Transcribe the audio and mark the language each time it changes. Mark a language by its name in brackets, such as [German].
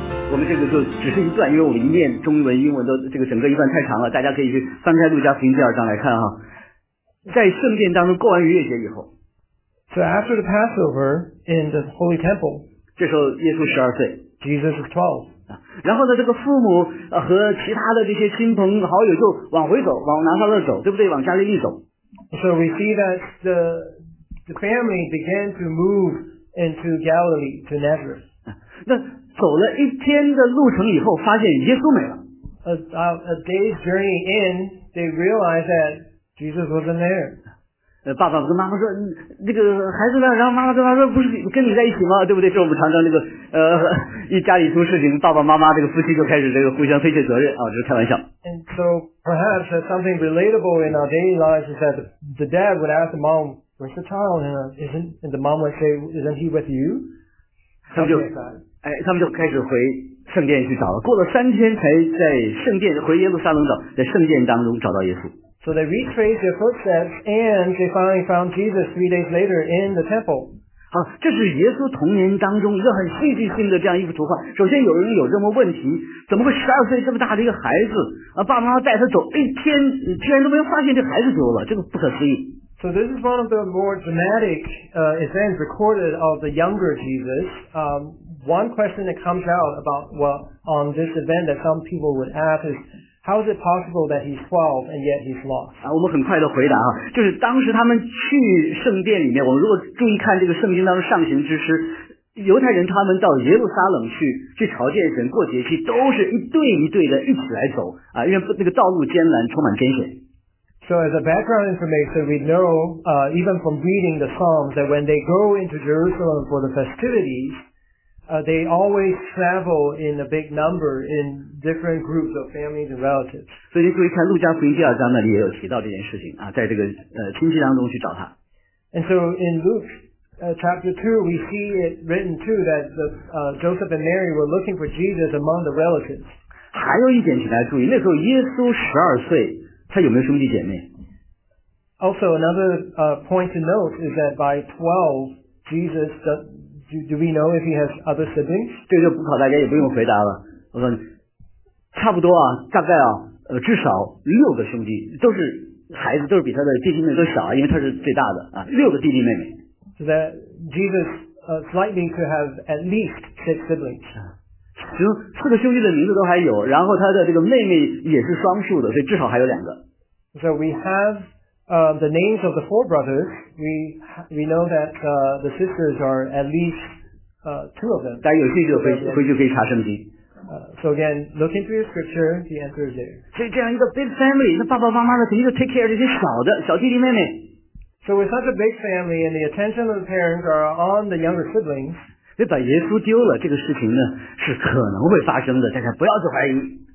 [Chinese] 我们这个就只是一段，因为我们一念中文英文都这个整个一段太长了，大家可以去翻开路加福音第二章来看哈。在圣殿当中过完逾越节以后， [English] So after the Passover in the Holy Temple， [Chinese] 这时候耶稣12岁， [English] Jesus was 12。 [Chinese] 然后呢，这个父母和其他的这些亲朋好友就往回走，往南方那走，对不对？往加利利走。 [English] So we see that the family began to move into Galilee to Nazareth。 [Chinese] 那走了一天的路程以后，发现耶稣没了。 [English] A day's journey in, they realized that Jesus wasn't there。 [Chinese] 爸爸跟妈妈说那个孩子呢，然后妈妈跟妈妈说不是跟你在一起吗，对不对？这我们常常这个一家里出事情，爸爸妈妈这个夫妻就开始这个互相推卸责任啊，就是开玩笑。 [English] And so perhaps that's something relatable in our daily lives is that the dad would ask the mom, where's the child? And the mom would say, isn't he with you? [Chinese] 他们就开始回圣殿去找了，过了3天才在圣殿回耶路撒冷找，在圣殿当中找到耶稣。 [English] So they retraced their footsteps and they finally found Jesus 3 days later in the temple. [Chinese] 好，这是耶稣童年当中一个很戏剧性的这样一幅图画。首先有人有这么问题，怎么会12岁这么大的一个孩子，爸妈带他走一天居然都没有发现这孩子走了，这个不可思议。 [English] So this is one of the more dramatic events recorded of the younger Jesus. One question that comes out about, on this event that some people would ask is,How is it possible that he's 12 and yet he's lost? [Chinese] 我们很快的回答啊，就是当时他们去圣殿里面，我们如果注意看这个圣经当中上行之诗，犹太人他们到耶路撒冷去朝见神过节期，都是一对一对的一起来走啊，因为那个道路艰难，充满艰险。 [English] So as a background information, we know, even from reading the Psalms, that when they go into Jerusalem for the festivities,they always travel in a big number in different groups of families and relatives. [Chinese] 所以你注意看路加福音第二章那里也有提到这件事情啊，在这个亲戚当中去找他。 [English] And so in Luke chapter 2, we see it written too that Joseph and Mary were looking for Jesus among the relatives. [Chinese] 还有一点请大家注意，那时候耶稣12岁，他有没有兄弟姐妹？ [English] Also another point to note is that by 12, Jesus Do we know if he has other siblings? [Chinese] 这就不考大家，也不用回答了。我说，差不多啊，大概啊，至少6个兄弟，都是孩子，都是比他的弟弟妹妹都小啊，因为他是最大的啊，6个弟弟妹妹。 [English] So that Jesus likely to have at least 6 siblings. [Chinese] 4个兄弟的名字都还有，然后他的这个妹妹也是双数的，所以至少还有2个。 [English] So we have. The names of the 4 brothers, we know that the sisters are at least 2 of them. [Chinese] 大家有兴趣回去可以查圣经。 [English] So again, look into your scripture, the answer is there. [Chinese] 所以这样一个 [English] big family, [Chinese] 那爸爸妈妈的肯定就 [English] take care [Chinese] 这些小的小弟弟妹妹。 [English] So with such a big family and the attention of the parents are on the younger siblings, [Chinese] 所以把耶稣丢了这个事情呢是可能会发生的，大家不要怀疑。